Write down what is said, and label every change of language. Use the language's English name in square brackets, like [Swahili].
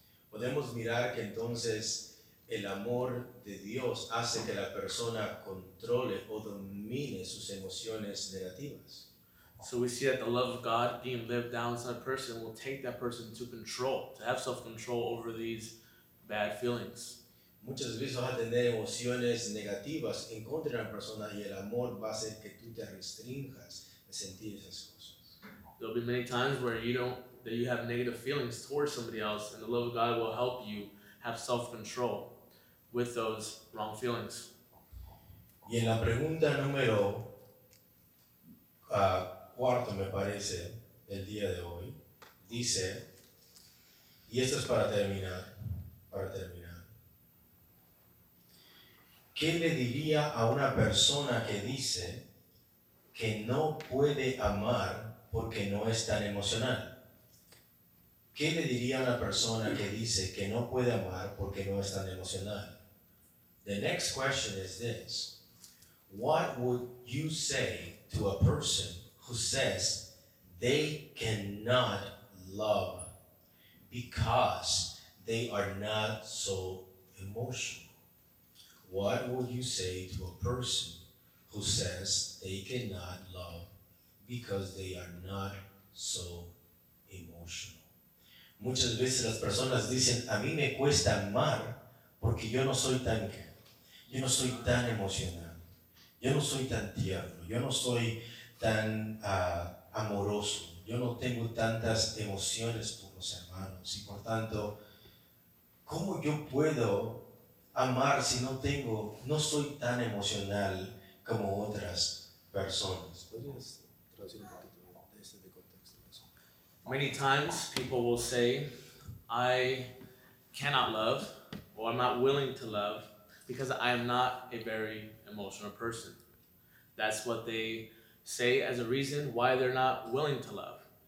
[Spanish] Podemos mirar que entonces el amor de Dios hace que la persona controle o domine sus emociones negativas. [English] So we see that the love of God being lived down inside a person will take that person to control, to have self-control over these bad feelings. [Spanish] Muchas veces vas a tener emociones negativas en contra de una persona y el amor va a hacer que tú te restringas de sentir esas cosas. [English] There'll be many times where you have negative feelings towards somebody else, and the love of God will help you have self-control with those wrong feelings. [Spanish] Y en la pregunta número cuarto, me parece, el día de hoy, dice, y esto es para terminar, ¿qué le diría a una persona que dice que no puede amar porque no es tan emocional? ¿Qué le diría a una persona que dice que no puede amar porque no es tan emocional? [English] The next question is this: what would you say to a person who says they cannot love because they are not so emotional? What would you say to a person who says they cannot love because they are not so emotional? [Spanish] Muchas veces las personas dicen, a mí me cuesta amar porque yo no soy tan emocional, yo no soy tan tierno, yo no soy tan amoroso, yo no tengo tantas emociones por los hermanos, y por tanto, ¿cómo yo puedo amar si no tengo, no soy tan emocional como otras personas? ¿Podrías traducir un poquito de este contexto? [English] Many times people will say, I cannot love, or I'm not willing to love, because I am not a very emotional person. That's what they say as a reason why they're not willing to love.